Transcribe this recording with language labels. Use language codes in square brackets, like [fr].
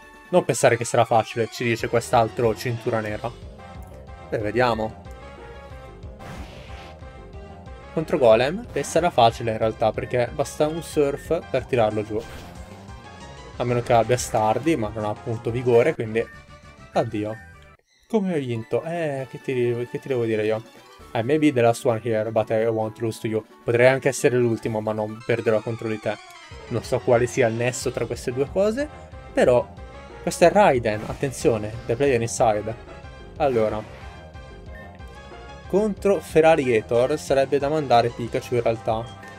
[it] Non pensare che sarà facile, ci dice quest'altro cintura nera. E vediamo. Contro Golem, beh, sarà facile in realtà, perché basta un Surf per tirarlo giù. A meno che abbia Stardi, ma non ha appunto vigore, quindi... Addio. Come hai vinto? Che ti devo dire io? [en] I may be the last one here, but I won't lose to you. [it] Potrei anche essere l'ultimo, ma non perderò contro di te. Non so quale sia il nesso tra queste due cose, però... Questo è Raiden, attenzione, [en] the player inside. [it] Allora, contro Feraligatr sarebbe da mandare Pikachu in realtà.